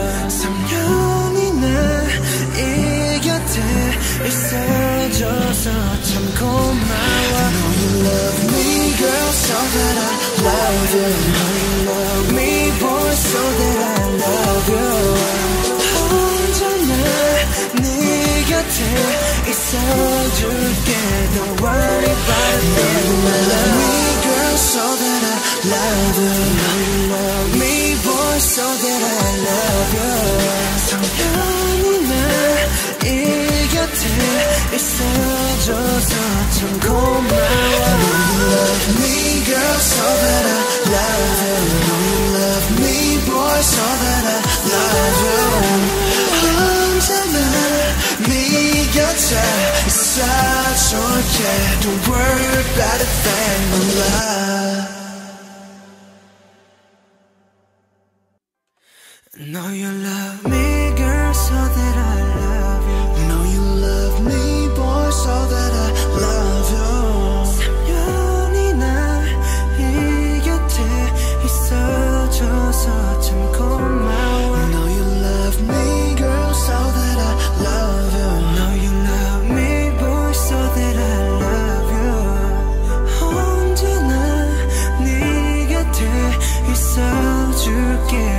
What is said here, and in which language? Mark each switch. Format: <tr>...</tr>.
<ko>3년이나 이 곁에 있어줘서 참 고마워.</ko> <en>I know you love me, girl, so that I love you. I know you love me, boy, so that I love you.</en> <ko>혼자 난 네 곁에 있어줄게.</ko> <en>Don't worry about it. I know you love me, girl, so that I love you. I know you love me, boy, so that I love you.</en> <ko>3년이 난 이 곁에 있어줘서 참 고마워.</ko> <en>I know you love me, girl, so that I love you. I know you love me, boy, so that I love you.</en> <ko>혼자 난 네 곁에 있어줄게.</ko> <en>Don't worry about a thing, my love.</en> <ko>너</ko> <en>you love me, girl, so that I love you. Know you love me, boy, so that I love you.</en> <ko>3년이나 이 곁에 있어줘서 참 고마워.</ko> <en>Know you love me, girl, so that I love you. Know you love me, boy, so that I love you.</en> <ko>언제나 네 곁에 있어줄게.</ko>